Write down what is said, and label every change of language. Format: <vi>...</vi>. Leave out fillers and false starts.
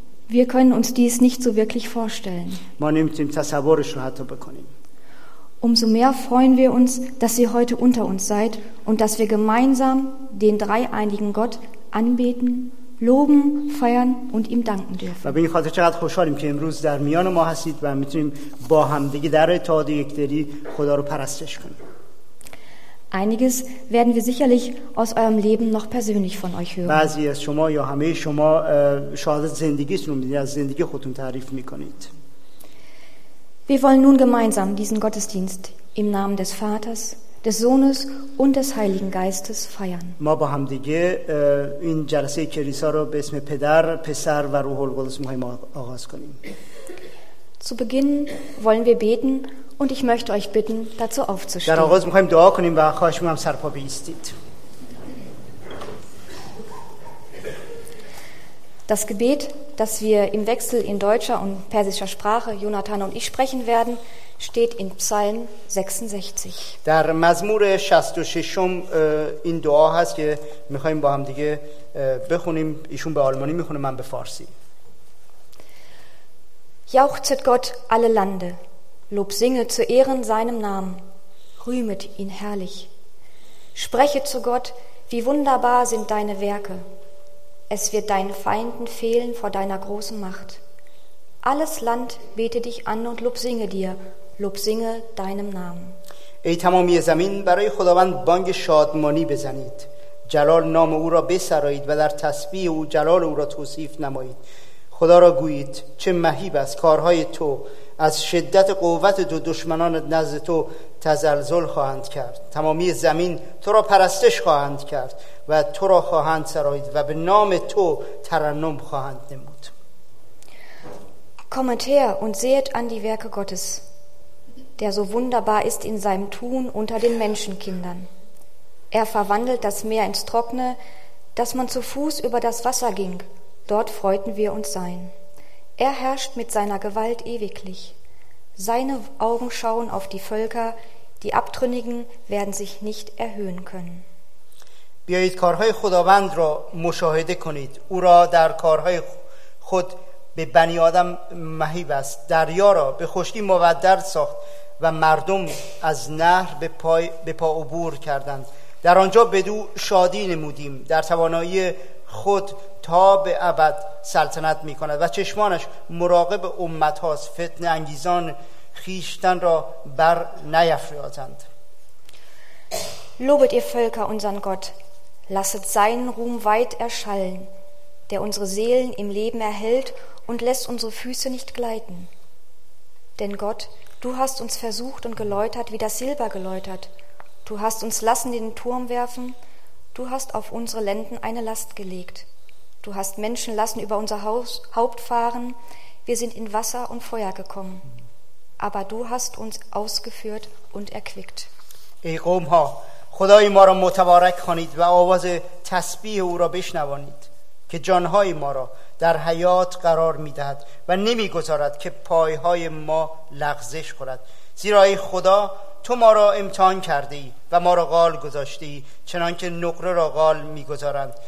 <de>Wir können uns dies nicht so wirklich vorstellen.</de> <fa>ما نمیتونیم تصورش رو حتی بکنیم.</fa> <de>Umso mehr freuen wir uns, dass ihr heute unter uns seid und dass wir gemeinsam den dreieinigen Gott anbeten, loben, feiern und ihm danken dürfen. Wir bin ich heute sehr froh, dass ihr heute</de> <fa>در میان ما هستید و میتونیم با همدیگه در اتحاد و یکدلی خدا رو پرستش کنیم.</fa> <de>Einiges werden wir sicherlich aus eurem Leben noch persönlich von euch hören.</de> <fa>بعضی از شما یا همه شما شهادت زندگیتون رو از زندگی خودتون تعریف میکنید.</fa> <de>Wir wollen nun gemeinsam diesen Gottesdienst im Namen des Vaters, des Sohnes und des Heiligen Geistes feiern.</de> <fa>ما با هم دیگه این جلسه کلیسا رو به اسم پدر، پسر و روح القدس مهم آغاز کنیم.</fa> <de>Zu Beginn wollen wir beten und ich möchte euch bitten, dazu aufzustehen.</de> <fa>در آغاز می‌خوایم دعا کنیم و خواهش می‌کنم سرپا بیستید.</fa> <de>Das Gebet, das wir im Wechsel in deutscher und persischer Sprache, Jonathan und ich, sprechen werden, steht in Psalm 66.</de> <fa>در مزمور 66 این دعا هست که میخوایم با هم دیگه بخونیم. ایشون به آلمانی میخونه، من به فارسی.</fa> <de>Jauchzet Gott alle Lande, Lob singe zu Ehren seinem Namen, rühmet ihn herrlich. Spreche zu Gott, wie wunderbar sind deine Werke. Es wird deinen Feinden fehlen vor deiner großen Macht. Alles Land bete dich an und lob singe dir, lob singe deinem Namen.</de> <fa>Ey tamami zamin baraye Khodavand bang shadmani bezanid. Jalal nam o ra besarayid va dar tasbih o jalal o ra tosif namayid. خدا را گویید چه مهیب است کارهای تو، از شدت قوت تو دشمنان نزد تو تزلزل خواهند کرد، تمامی زمین تو را پرستش خواهند کرد و تو را خواهند سرایید و به نام تو ترنم خواهند نمود.</fa> <de>Kommt her und sehet an die Werke Gottes, der so wunderbar ist in seinem Tun unter den Menschenkindern. Er verwandelt das Meer ins Trockene, dass man zu Fuß über das Wasser ging. Dort freuten wir uns sein. Er herrscht mit seiner Gewalt ewiglich. Seine Augen schauen auf die Völker, die Abtrünnigen werden sich nicht erhöhen können.</de> <fa>بیایید کارهای خداوند را مشاهده کنید. او را در کارهای خود به بنی آدم مهیب است. دریا را به خشکی مبدل ساخت و مردم از نهر به پا عبور کردند. در آنجا بدو شادی نمودیم. در توانایی خود تا به ابد سلطنت می کند و چشمانش مراقب امت هاست. فتن انگیزان خیشتن را بر نیفریازند.</fa> <de>Lobet ihr Völker unseren Gott, lasset seinen Ruhm weit erschallen, der unsere Seelen im Leben erhält und lässt unsere Füße nicht gleiten. Denn Gott, du hast uns versucht und geläutert wie das Silber geläutert. Du hast uns lassen den Turm werfen. Du hast auf unsere Lenden eine Last gelegt. Du hast Menschen lassen über unser Haupt fahren. Wir sind in Wasser und Feuer gekommen. Aber du hast uns ausgeführt und erquickt.</de> <fa>Ey قوم ها، خدای ما را متبارک کنید و آواز تسبیح او را بشنوانید که جانهای ما را در حیات قرار می دهد و نمی گذارد که پایهای ما لغزش کند. زیرا ای خدا، تو ما را امتحان کرده ای و ما را قال گذاشته ای، چنان که نقره را قال می گذارند.</fa>